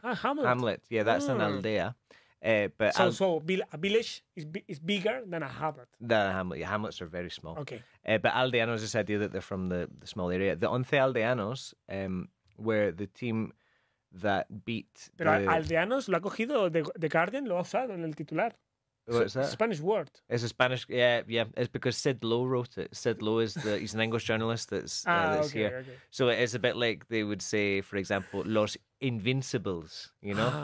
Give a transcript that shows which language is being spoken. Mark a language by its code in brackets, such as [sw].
[en] Hamlet. Hamlet, yeah, that's an aldea. But a village is bigger than a hamlet. Than a hamlet. Yeah, hamlets are very small. Okay. But Aldeanos, this idea that they're from the small area. The Once Aldeanos were the team that beat... [es] Aldeanos lo ha cogido de Guardian, lo ha usado en el titular. [en] What's that? Spanish word. It's a Spanish... Yeah. It's because Sid Lowe wrote it. Sid Lowe is he's an English journalist that's here. Okay. So it is a bit like they would say, for example, Los Invincibles, you know,